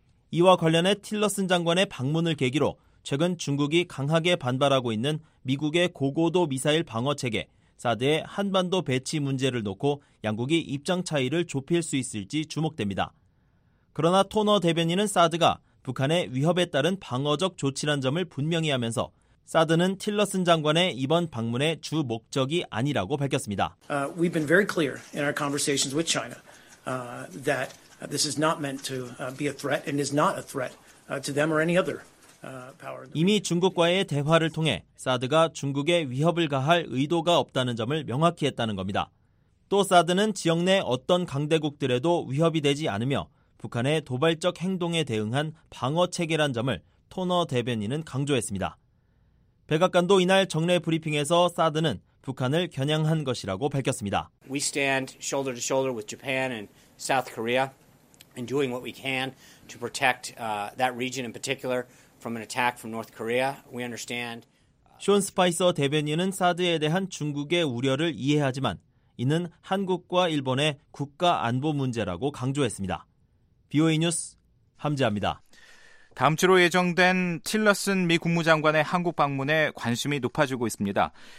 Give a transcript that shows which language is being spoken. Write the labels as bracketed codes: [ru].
[ko] 이와 관련해 틸러슨 장관의 방문을 계기로 최근 중국이 강하게 반발하고 있는 미국의 고고도 미사일 방어 체계, 사드의 한반도 배치 문제를 놓고 양국이 입장 차이를 좁힐 수 있을지 주목됩니다. 그러나 토너 대변인은 사드가 북한의 위협에 따른 방어적 조치란 점을 분명히 하면서 사드는 틸러슨 장관의 이번 방문의 주 목적이 아니라고 밝혔습니다. [en] We've been very clear in our conversations with China that this is not meant to be a threat and is not a threat to them or any other power. [ko] 이미 중국과의 대화를 통해 사드가 중국에 위협을 가할 의도가 없다는 점을 명확히 했다는 겁니다. 또 사드는 지역 내 어떤 강대국들에도 위협이 되지 않으며 북한의 도발적 행동에 대응한 방어 체계란 점을 토너 대변인은 강조했습니다. 백악관도 이날 정례 브리핑에서 사드는 북한을 겨냥한 것이라고 밝혔습니다. [en] We stand shoulder to shoulder with Japan and South Korea in doing what we can to protect that region in particular from an attack from North Korea. We understand. [ko] 숀 스파이서 대변인은 사드에 대한 중국의 우려를 이해하지만 이는 한국과 일본의 국가 안보 문제라고 강조했습니다. BOA 뉴스 함지아입니다. 다음 주로 예정된 틸러슨 미 국무장관의 한국 방문에 관심이 높아지고 있습니다.